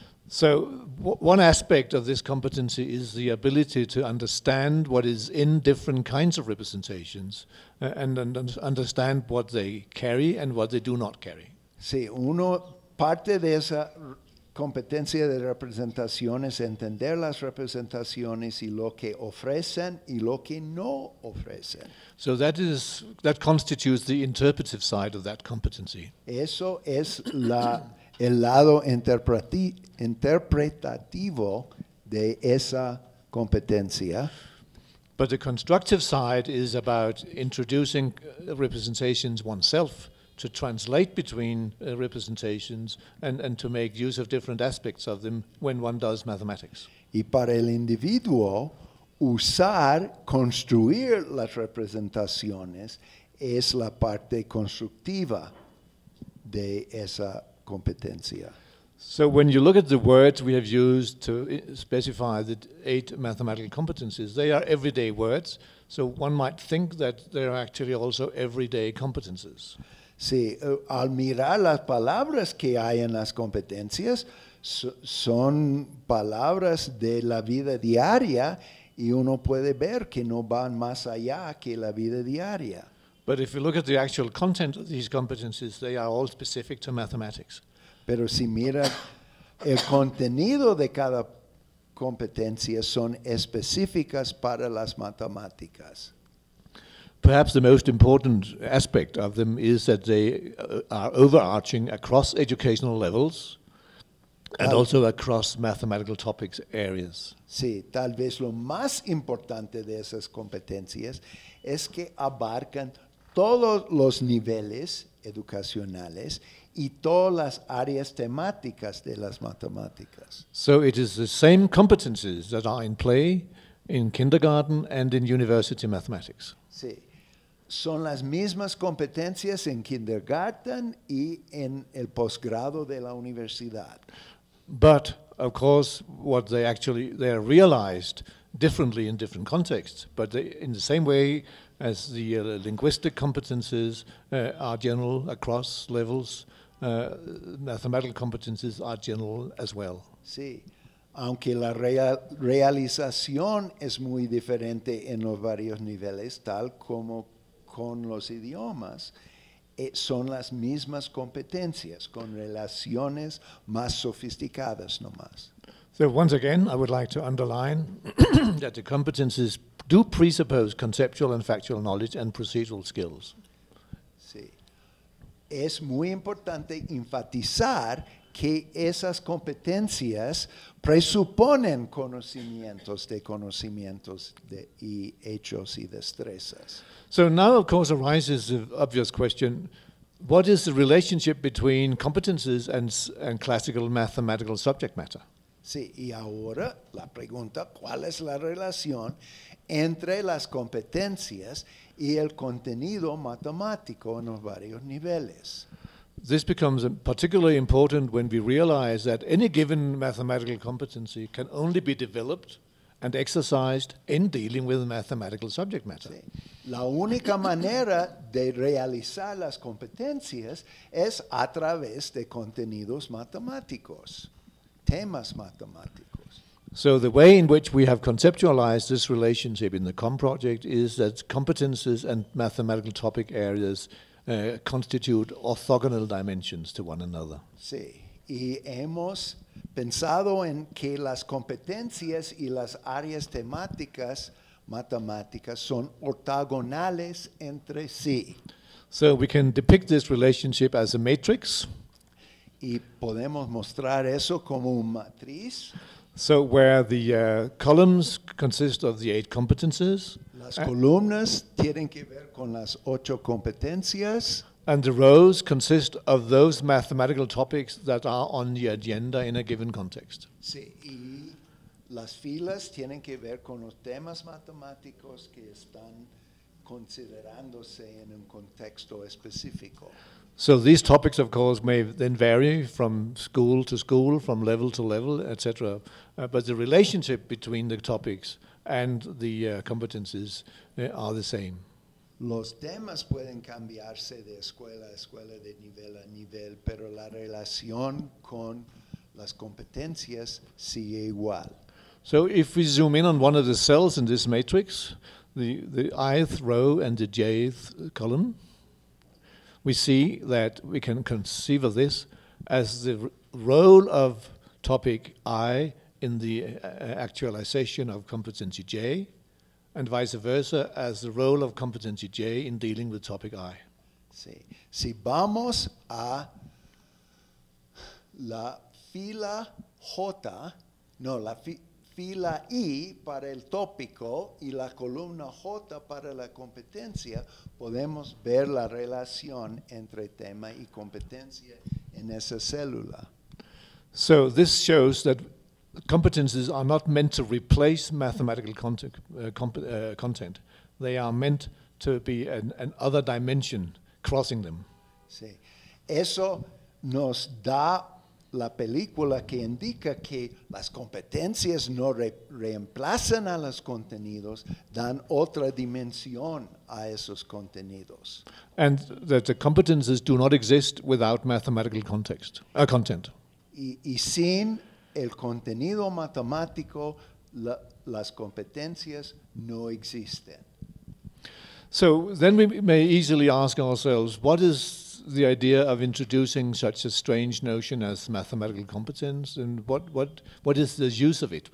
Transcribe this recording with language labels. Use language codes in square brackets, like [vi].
[en] So one aspect of this competency is the ability to understand what is in different kinds of representations and understand what they carry and what they do not carry. [es] Sí, uno... Parte de esa competencia de representación es entender las representaciones y lo que ofrecen y lo que no ofrecen. [en] So that constitutes the interpretive side of that competency. [es] Eso es el lado interpretativo de esa competencia. [en] But the constructive side is about introducing representations oneself, to translate between representations and to make use of different aspects of them when one does mathematics. [es] Y para el individuo, usar, construir las representaciones es la parte constructiva de esa competencia. [en] So when you look at the words we have used to specify the 8 mathematical competencies, they are everyday words, so one might think that they are actually also everyday competences. [es] Sí, al mirar las palabras que hay en las competencias, son palabras de la vida diaria y uno puede ver que no van más allá que la vida diaria. [en] But if you look at the actual content of these competencies, they are all specific to mathematics. [es] Pero si mira el contenido de cada competencia, son específicas para las matemáticas. [en] Perhaps the most important aspect of them is that they are overarching across educational levels And also across mathematical topics areas. [es] Sí, tal vez lo más importante de esas competencias es que abarcan todos los niveles educacionales y todas las áreas temáticas de las matemáticas. [en] So it is the same competencies that are in play in kindergarten and in university mathematics. [es] Sí. Son las mismas competencias en kindergarten y en el posgrado de la universidad. [en] But of course what they are realized differently in different contexts, but they, in the same way as the linguistic competences are general across levels, mathematical competences are general as well. [es] Sí, aunque la realización es muy diferente en los varios niveles, tal como con los idiomas, son las mismas competencias con relaciones más sofisticadas nomás. [en] So once again, I would like to underline that the competencies do presuppose conceptual and factual knowledge and procedural skills. [es] Sí. Es muy importante enfatizar que esas competencias presuponen conocimientos de y hechos y destrezas. [en] So now, of course, arises the obvious question, what is the relationship between competences and classical mathematical subject matter? [es] Sí, y ahora la pregunta, ¿cuál es la relación entre las competencias y el contenido matemático en los varios niveles? [en] This becomes particularly important when we realize that any given mathematical competency can only be developed and exercised in dealing with mathematical subject matter. [es] Sí. La única manera de realizar las competencias es a través de contenidos matemáticos, temas matemáticos. [en] So the way in which we have conceptualized this relationship in the COM project is that competences and mathematical topic areas constitute orthogonal dimensions to one another. [es] Sí, y hemos pensado en que las competencias y las áreas temáticas matemáticas son ortogonales entre sí. [en] So we can depict this relationship as a matrix. [es] Y podemos mostrar eso como una matriz. [en] So where the columns consist of the 8 competences. [es] Las columnas tienen que ver con las 8 competencias. [en] And the rows consist of those mathematical topics that are on the agenda in a given context. [es] Sí, y las filas tienen que ver con los temas matemáticos que están considerándose en un contexto específico. [en] So these topics, of course, may then vary from school to school, from level to level, etc. But the relationship between the topics and the competencies are the same. [es] Los temas pueden cambiarse de escuela a escuela, de nivel a nivel, pero la relación con las competencias sigue igual. [en] So if we zoom in on one of the cells in this matrix, the ith row and the jth column, we see that we can conceive of this as the role of topic I in the actualization of competency J, and vice versa, as the role of competency J in dealing with topic I. [es] Sí. Si vamos a la fila J, no, la fila I para el tópico y la columna J para la competencia, podemos ver la relación entre tema y competencia en esa célula. [en] So this shows that competencies are not meant to replace mathematical content. They are meant to be an other dimension crossing them. [es] Sí. Eso nos da la película que indica que las competencias no reemplazan a los contenidos, dan otra dimensión a esos contenidos. [en] And that the competences do not exist without mathematical context, content. [es] Y sin el contenido matemático, las competencias no existen. [en] So then we may easily ask ourselves, what is the idea of introducing such a strange notion as mathematical competence, and what is the use of it?